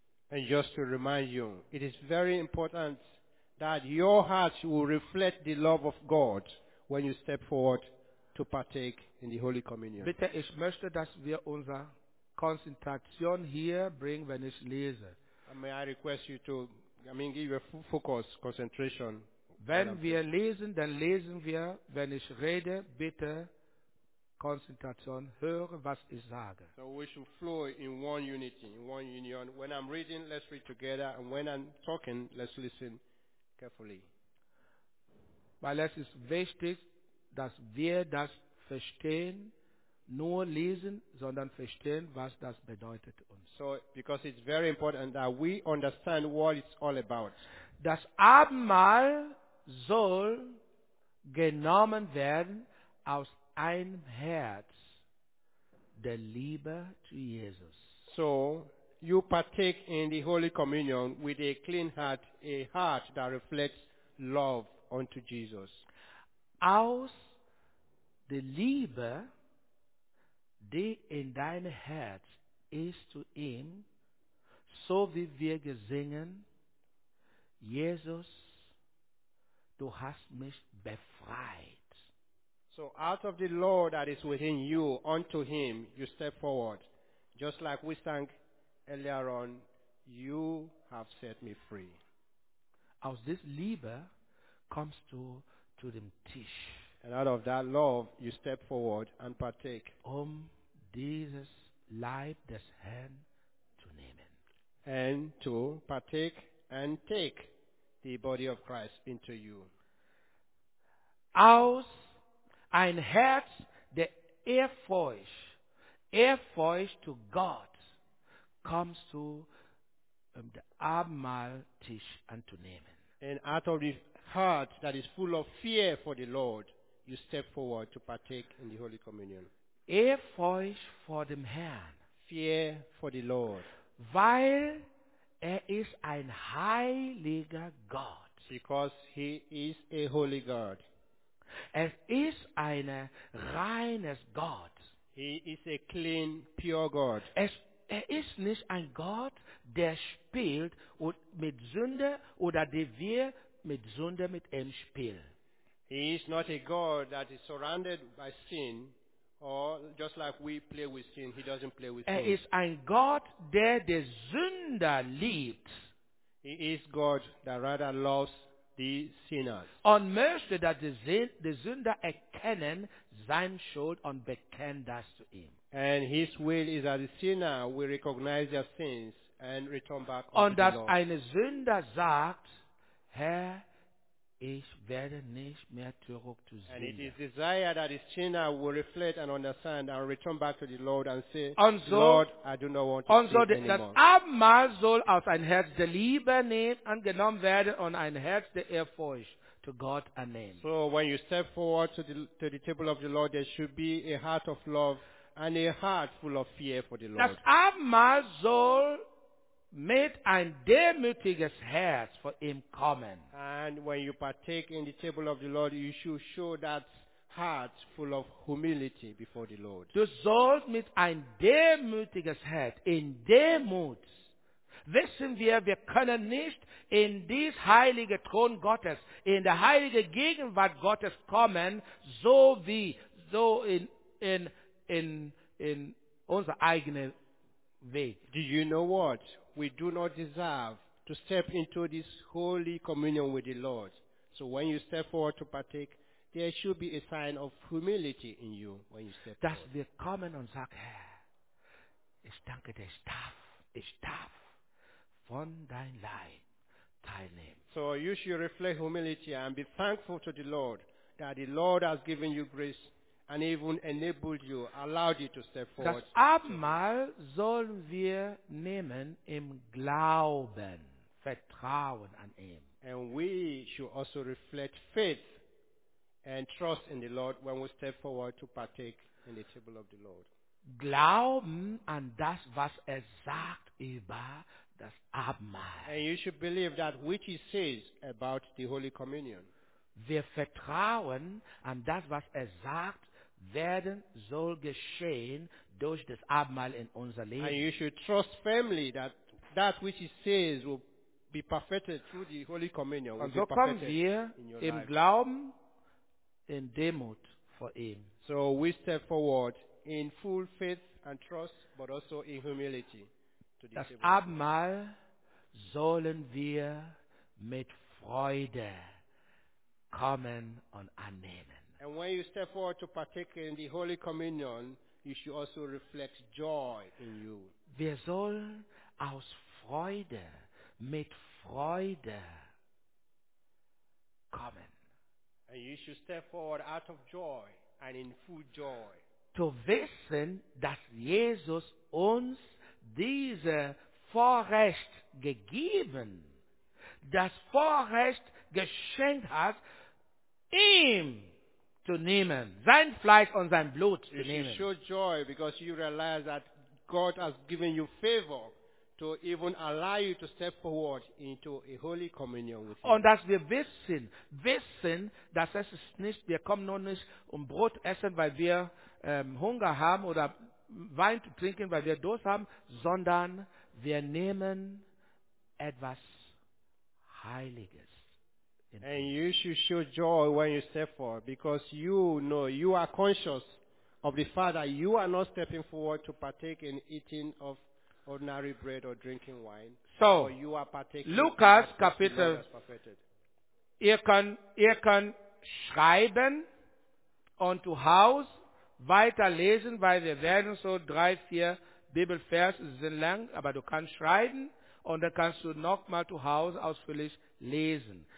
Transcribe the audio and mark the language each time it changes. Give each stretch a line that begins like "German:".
English: And just to remind you, it is very important that your heart will reflect the love of God when you step forward to partake in the Holy Communion.
German: Bitte, ich möchte, dass wir unsere Konzentration hier bringen, wenn ich lese.
English: May I request you to, give a focus, concentration.
German: Wenn wir lesen, dann lesen wir, wenn ich rede, bitte Konzentration, höre, was ich sage.
English: So we should flow in one unity, in one union. When I'm reading, let's read together, and when I'm talking, let's listen carefully.
German: Weil es ist wichtig, dass wir das verstehen, nur lesen, sondern verstehen, was das bedeutet uns.
English: So, because it's very important that we understand what it's all about.
German: Das Abendmahl soll genommen werden aus einem Herz der Liebe zu Jesus.
English: So, you partake in the Holy Communion with a clean heart, a heart that reflects love unto Jesus.
German: Aus der Liebe, die in dein Herz ist zu ihm, so wie wir gesingen, Jesus, du hast mich befreit.
English: So out of the love that is within you, unto him, you step forward. Just like we sang earlier on, you have set me free.
German: Aus
English: this
German: Liebe kommst du zu dem Tisch.
English: And out of that love, you step forward and partake.
German: Dieses Leib des Herrn zu nehmen.
English: And to partake and take the body of Christ into you.
German: Aus ein Herz der Ehrfurcht, Ehrfurcht zu Gott, kommst du der Abendmahltisch anzunehmen.
English: And out of the heart that is full of fear for the Lord, you step forward to partake in the Holy Communion.
German: Ehrfurcht vor dem Herrn.
English: Fear for the Lord.
German: Weil ist ein heiliger Gott.
English: Because he is a holy God.
German: Es ist ein reines Gott.
English: He is a clean, pure God.
German: Es ist nicht ein Gott, der spielt mit Sünde oder der wir mit Sünde mit ihm spielen.
English: He is not a God that is surrounded by sin. Or just like we play with sin, he doesn't play with sin.
German: Er ist ein Gott, der den Sünder liebt.
English: He is God that rather loves the sinners.
German: Und möchte, dass der Sünder erkennen seine Schuld und bekennen das zu ihm.
English: And his will is that the sinner will recognize their sins and return back unto the Lord.
German: Und dass ein Sünder sagt, Herr, ich werde nicht mehr zurück zu Sünde.
English: And it is desire that his sinner will reflect and understand and return back to the Lord and say,
German: und so,
English: Lord, I do not want to sin so anymore.
German: Das Abendmahl soll aus ein Herz der Liebe nehmen und genommen werden und ein Herz der Ehrfurcht zu Gott annehmen.
English: So when you step forward to the table of the Lord, there should be a heart of love and a heart full of fear for the Lord.
German: Das Abendmahl soll mit ein demütiges Herz vor ihm kommen.
English: And when you partake in the table of the Lord, you should show that heart full of humility before the Lord.
German: Du sollst mit ein demütiges Herz, in Demut, wissen wir können nicht in dies heilige Thron Gottes, in der heilige Gegenwart Gottes kommen, so in unser eigenen Weg.
English: Do you know what? We do not deserve to step into this holy communion with the Lord. So when you step forward to partake, there should be a sign of humility in you when you step
German: das
English: forward.
German: Dass wir kommen und sagen, Herr, ich danke dir, ich darf von dein Leib teilnehmen.
English: So you should reflect humility and be thankful to the Lord that the Lord has given you grace and even enabled you, allowed you to step forward.
German: Das Abendmahl sollen wir nehmen im Glauben, Vertrauen an ihn.
English: And we should also reflect faith and trust in the Lord when we step forward to partake in the table of the Lord.
German: Glauben an das, was sagt über das Abendmahl.
English: And you should believe that which he says about the Holy Communion.
German: Wir vertrauen an das, was sagt, werden soll geschehen durch das Abendmahl in unser Leben.
English: And you should trust firmly that that which he says will be perfected through the Holy Communion.
German: Und so kommen wir im Glauben in Demut vor ihm.
English: So we step forward in full faith and trust, but also in humility.
German: Das Abendmahl sollen wir mit Freude kommen und annehmen.
English: And when you step forward to partake in the Holy Communion, you should also reflect joy in you.
German: Wir sollen aus Freude, mit Freude kommen.
English: And you should step forward out of joy and in full joy.
German: Zu wissen, dass Jesus uns diese Vorrecht gegeben, das Vorrecht geschenkt hat, ihm zu nehmen, sein Fleisch und sein Blut zu nehmen.
English: You show joy because you realize that God has given you favor to even allow you to step forward into a holy communion with him.
German: Und dass wir wissen, dass es ist nicht, wir kommen nur nicht um Brot essen, weil wir Hunger haben oder Wein zu trinken, weil wir Durst haben, sondern wir nehmen etwas Heiliges.
English: And you should show joy when you step forward, because you know, you are conscious of the fact that you are not stepping forward to partake in eating of ordinary bread or drinking wine. So, you are partaking
German: Lukas Kapitel, ihr könnt schreiben und zu Hause weiterlesen, weil wir werden so 3-4 Bibelverse sind lang, aber du kannst schreiben und dann kannst du nochmal zu Hause ausführlich lesen.